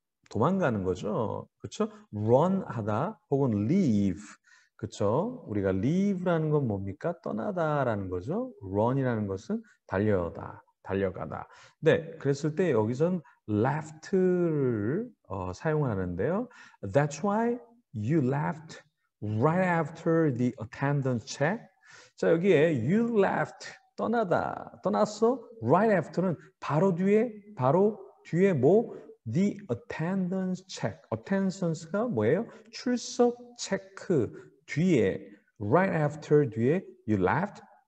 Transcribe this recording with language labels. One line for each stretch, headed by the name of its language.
Korean: 도망가는 거죠. 그렇죠? Run 하다 혹은 leave 그렇죠? 우리가 leave라는 건 뭡니까? 떠나다라는 거죠. run이라는 것은 달려다. 달려가다. 네, 그랬을 때 여기선 left를 사용하는데요.
English: That's why you left right after the attendance check.
Korean: 자, 여기에 you left 떠나다, 떠났어. Right after는 바로 뒤에, 바로 뒤에 뭐?
English: The attendance check. Attendance가 뭐예요?
Korean: 출석 체크 뒤에, right after 뒤에 you left.